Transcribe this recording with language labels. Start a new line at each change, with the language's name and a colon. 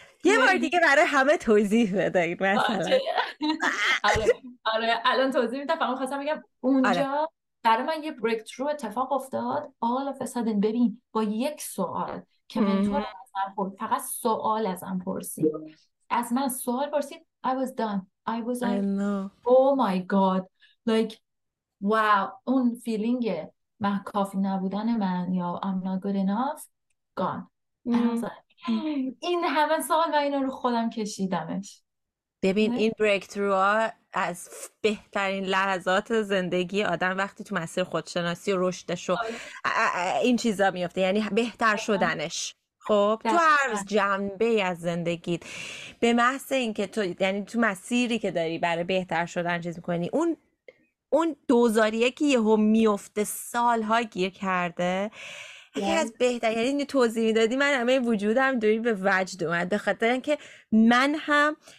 Persian: یه بار دیگه برای همه توضیح بده این مثلا. آره الان توضیح میدم، فقط خواستم بگم اونجا برای من یه بریک ترو اتفاق افتاد.
English: All of a sudden
Persian: ببین، با یک سوال که منتور ازم پرسید، فقط سوال ازم پرسید، از من سوال پرسید،
English: I was done. I was like oh my god، like wow،
Persian: اون فیلینگ من کافی نبودن من یا
English: I'm not good enough gone.
Persian: این همه سال و اینا رو خودم کشیدمش. ببین این بریکتروها از بهترین لحظات زندگی آدم وقتی تو مسیر خودشناسی و رشدش و این چیزا میفته، یعنی بهتر شدنش. خب تو هر جنبه از زندگیت، به محض اینکه تو، یعنی تو مسیری که داری برای بهتر شدن چیز میکنی، اون دوزاریه که یهو میفته، سالها گیر کرده، یکی از بهتر، یعنی توضیح میدادی من همه وجودم دوری به وجد اومد، به خاطر اینکه من هم